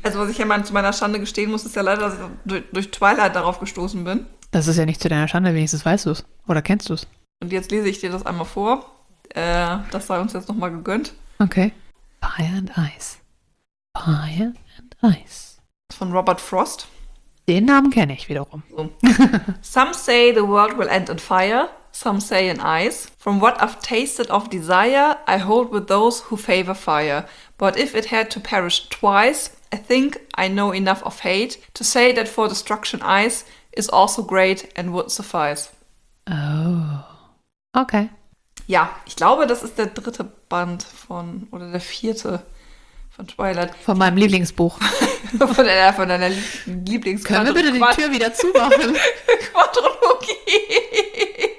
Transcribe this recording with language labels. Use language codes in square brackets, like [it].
[de] Also was ich ja mal zu meiner Schande gestehen muss, ist ja leider, dass ich durch Twilight darauf gestoßen bin. Das ist ja nicht zu deiner Schande, wenigstens weißt du es. Oder kennst du es? Und jetzt lese ich dir das einmal vor. Das sei uns jetzt nochmal gegönnt. Okay. Fire and Ice. Fire and Ice. Von Robert Frost. Den Namen kenne ich wiederum. So. [en] Some say the world will end in fire, some say in ice. From what I've tasted of desire, I hold with those who favor fire. But if it had to perish twice, I think I know enough of hate to say that for destruction ice is also great and would suffice. Oh. Okay. [de] Ja, ich glaube, das ist der dritte Band von, oder der vierte von Twilight. Von meinem Lieblingsbuch. Von deiner Lieblings-. Können wir bitte die Tür wieder zumachen? Quadrologie.